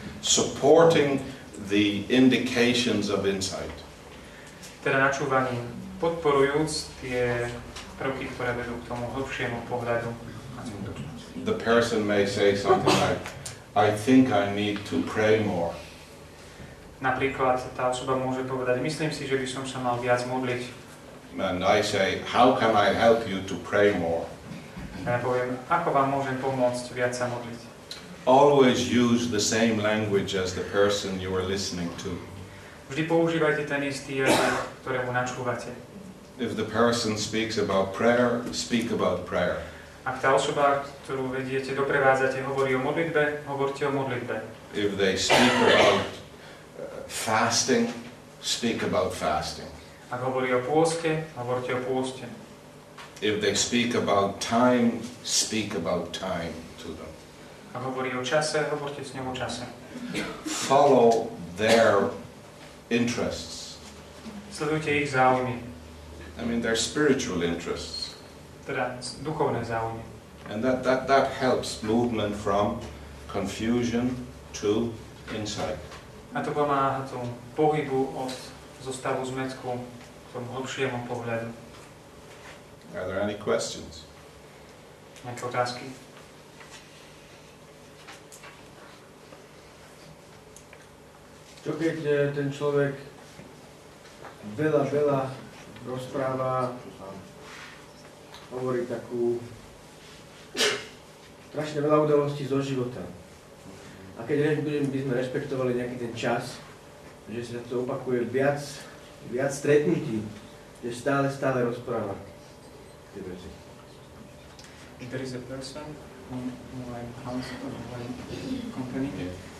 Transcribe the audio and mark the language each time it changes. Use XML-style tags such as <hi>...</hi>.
<en>Supporting the indications of insight.</en> <sk>Teda načúvaním, podporujúc tie prvky, ktoré vedú k tomu hlbšiemu pohľadu.</sk> <en>The person may say something like, I think I need to pray more.</en> <sk>Napríklad tá osoba môže povedať, myslím si, že by som sa mal viac modliť.</sk> <en>And I say, how can I help you to pray more?</en> <sk>A ja poviem, ako vám môžem pomôcť viac sa modliť?</sk> <en>Always use the same language as the person you are listening to.</en> <sk>Vždy používajte ten istý jazyk, ktorému načúvate.</sk> <en>If the person speaks about prayer, speak about prayer.</en> <sk>Ak tá osoba, ktorú vediete, doprevádzate, hovorí o modlitbe, hovorte o modlitbe.</sk> <en>If they speak about fasting, speak about fasting.</en> <sk>Ak hovorí o pôste, hovorte o pôste.</sk> <en>If they speak about time, speak about time to them.</en> <sk>Ak hovorí o čase, hovorte s ním o čase.</sk> <en>Follow their interests.</en> <sk>Sledujte ich záujmy.</sk> <en>I mean their spiritual interests.</en> <sk>Teda duchovné záujmy.</sk> <en>And that helps movement from confusion to insight.</en> <sk>A to pomáha tomu pohybu od zostavu zmetku k tomu hlbšiemu pohľadu.</sk> <en>Are there any questions?</en> <sk>Nejaké otázky? Čo keď ten človek veľa rozpráva, hovorí takú strašne veľa udalostí zo života. A keď by sme rešpektovali nejaký ten čas, že sa to opakuje viac stretnutí, že stále rozpráva.</sk> <en>If there is a person in my house or my company, yeah.</en>